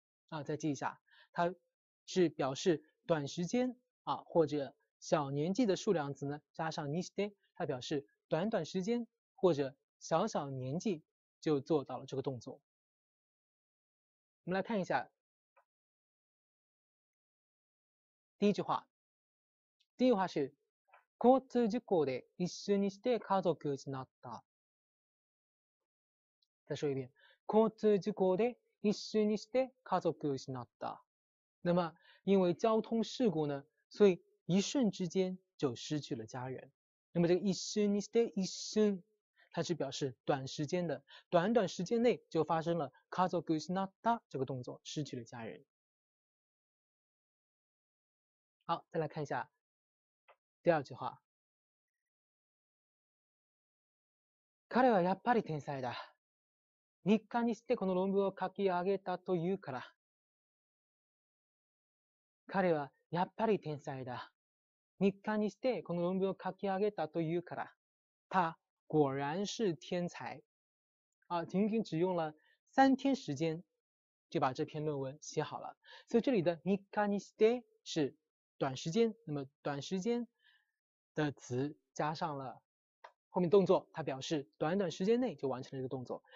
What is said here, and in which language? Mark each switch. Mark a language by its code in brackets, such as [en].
[zh] 啊，再记一下，它是表示短时间啊或者小年纪的数量词呢，加上にして，它表示短短时间或者小小年纪就做到了这个动作。我们来看一下第一句话。 [ja] 第一句话是，交通事故で一緒にして家族を失った。 [zh] 再说一遍， [ja] 交通事故で一緒にして家族を失った。 [zh] 那么，因为交通事故呢，所以一瞬之间就失去了家人。那么这个一瞬にして一瞬，它是表示短时间的，短短时间内就发生了 [ja] 家族を失った [zh] 这个动作，失去了家人。好，再来看一下。第二句话， [ja] 彼はやっぱり天才だ。 3日にしてこの論文を書き上げたというから。彼はやっぱり天才だ。3日にしてこの論文を書き上げたというから。 [zh] 他果然是天才。啊，仅仅只用了3天时间就把这篇论文写好了。所以这里的3日にして是短时间，那么短时间。的词加上了后面动作，它表示短短时间内就完成了这个动作。